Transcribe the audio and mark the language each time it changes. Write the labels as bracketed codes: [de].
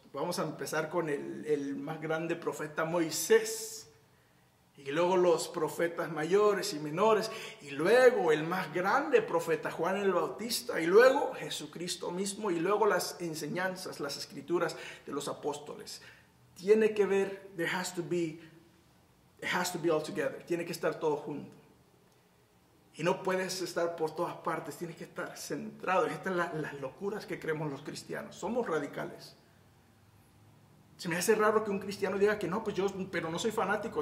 [es] Vamos a empezar con el más grande profeta Moisés. Y luego los profetas mayores y menores. Y luego el más grande profeta, Juan el Bautista. Y luego Jesucristo mismo. Y luego las enseñanzas, las escrituras de los apóstoles. Tiene que ver, [en] it has to be all together. [es] Tiene que estar todo junto. Y no puedes estar por todas partes. Tienes que estar centrado. Estas son las locuras que creemos los cristianos. Somos radicales. Se me hace raro que un cristiano diga que no, pues yo, pero no soy fanático.